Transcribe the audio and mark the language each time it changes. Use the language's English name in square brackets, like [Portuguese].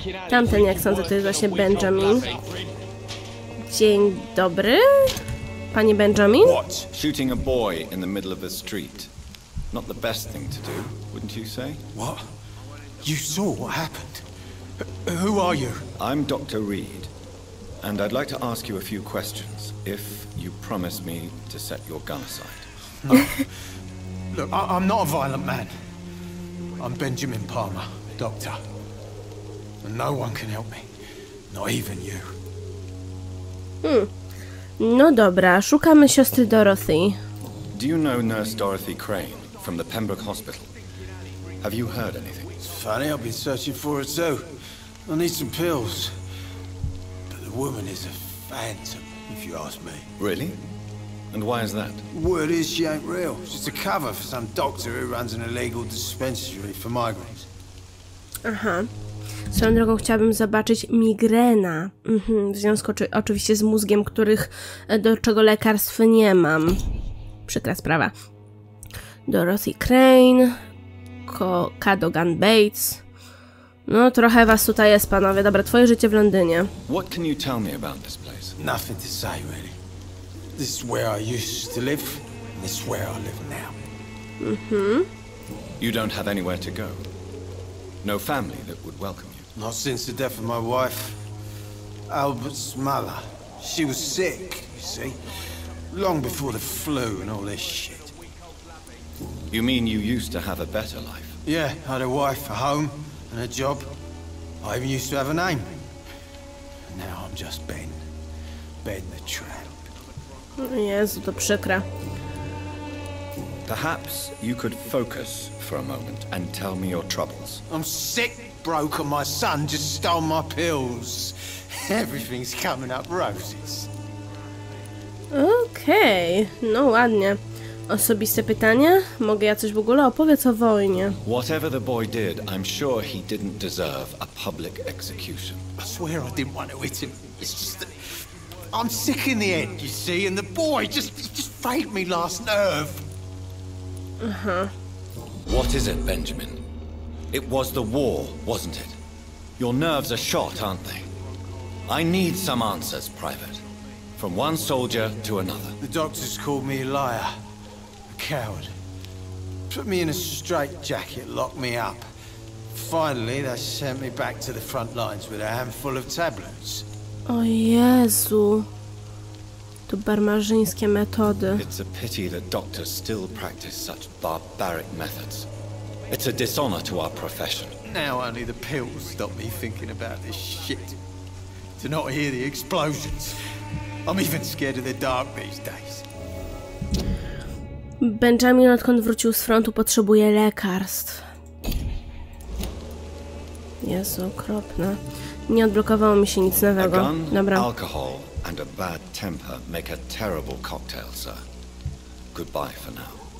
[Polish] Tamten, jak sądzę, to jest właśnie Benjamin. Dzień dobry, panie Benjamin. [English] What? Shooting a boy in the middle of the street. Not the best thing to do, wouldn't you say? What? You saw what happened. Who are you? I'm Dr. Reed, and I'd like to ask you a few questions, if you promise me to set your gun aside. Look, I'm not a violent man. I'm Benjamin Palmer, doctor. And no one can help me. Not even you. [Polish] No dobra, szukamy siostry Dorothy. [English] Do you know Nurse Dorothy Crane from the Pembroke Hospital? Have you heard anything? It's funny, I've been searching for her too. I need some pills. But the woman is a phantom, if you ask me. Really? And why is that? Word is she ain't real. She's a cover for some doctor who runs an illegal dispensary for migraines. Aha. [Polish] Swoją drogą chciałabym zobaczyć migrena, w związku oczywiście z mózgiem, których do czego lekarstw nie mam. Przykra sprawa. Dorothy Crane, Cadogan Bates. No, trochę was tutaj jest, panowie. Dobra, twoje życie w Londynie. [English] What can you tell me about this place? Nothing to say, really. This is where I used to live, and this is where I live now. You don't have anywhere to go. No family that would welcome you. Not since the death of my wife, Albert's mother. She was sick, you see. Long before the flu and all this shit. You mean you used to have a better life? Yeah, I had a wife, a home, and a job. I even used to have a name. And now I'm just Ben. Ben the Tramp. [Polish] Jezu, to przykre. [English] Perhaps you could focus for a moment and tell me your troubles. I'm sick, broke, and my son just stole my pills. Everything's coming up roses. [Polish] Okej, no ładnie. Osobiste pytanie? Mogę ja coś w ogóle opowiedz o wojnie? [English] Whatever the boy did, I'm sure he didn't deserve a public execution. I swear I didn't want to hit him. It's just that I'm sick in the end, you see, and the boy just failed me last nerve. What is it, Benjamin? It was the war, wasn't it? Your nerves are shot, aren't they? I need some answers, Private. From one soldier to another. The doctors called me a liar. A coward. Put me in a straitjacket, locked me up. Finally, they sent me back to the front lines with a handful of tablets. [Polish] O Jezu. To barbarzyńskie metody. [English] It's a pity that doctors still practice such barbaric methods. It's a dishonor to our profession. Now only the pills stop me thinking about this shit. To not hear the explosions. I'm even scared of the dark these days. [Polish] Benjamin, odkąd wrócił z frontu, potrzebuje lekarstw. Jezu, okropne. Nie odblokowało mi się nic nowego. Dobra. [English] Alcohol. And a bad temper make a terrible cocktail, sir. Goodbye for now.